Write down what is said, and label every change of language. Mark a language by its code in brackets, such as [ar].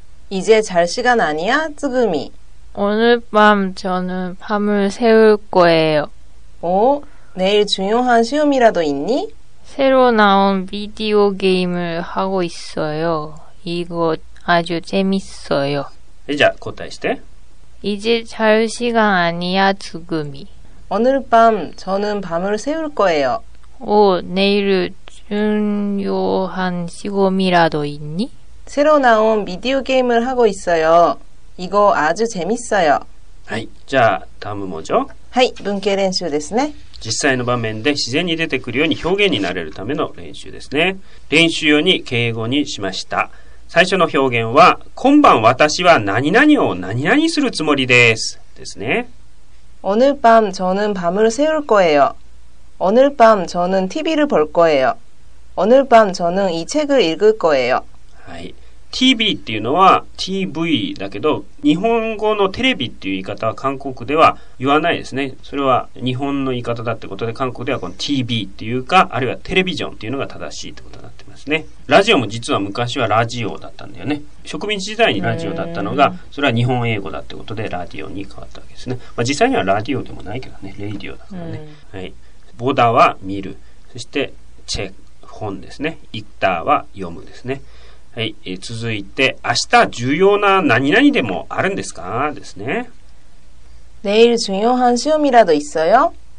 [ko] 이제잘시간아니야、つぐみ。 오늘밤、저는밤을새울거예요。お、내일중요한시험이라도있니 새로나온ビデオゲームを하고있어요。 이거、아주재밌어요 [ja] じゃあ答えして [ko] 이제잘시간아니야지금이 오늘밤저는밤을새울거예요 오내일중요한시험이라도있니 새로나온비디오게임을하고있어요이거아주재밌어요 [ja] はいじゃあ [ko] 다음은뭐죠 [ja] はい文型練習ですね実際の場面で自然に出てくるように表現になれるための練習ですね練習用に敬語にしました最初の表現は、今晩私は何々を何々するつもりです。ですね。 [ko] 오늘밤저는밤을새울거예요。 오늘밤저는 TV를 볼거예요。 오늘밤저는이책을읽을거예요。 [ja] はい。 TV っていうのは TV だけど、日本語のテレビっていう言い方は韓国では言わないですね。それは日本の言い方だってことで、韓国ではこの TV っていうか、あるいはテレビジョンっていうのが正しいってことだ。ね、ラジオも実は昔はラジオだったんだよね植民地時代にラジオだったのがそれは日本英語だってことでラジオに変わったわけですね、まあ、実際にはラジオでもないけどねレイディオだからね、はい、ボダは見るそしてチェック本ですねイッターは読むですね、はい、続いて明日重要な何々でもあるんですかですね [ko] 내일중요한시험이라도있어요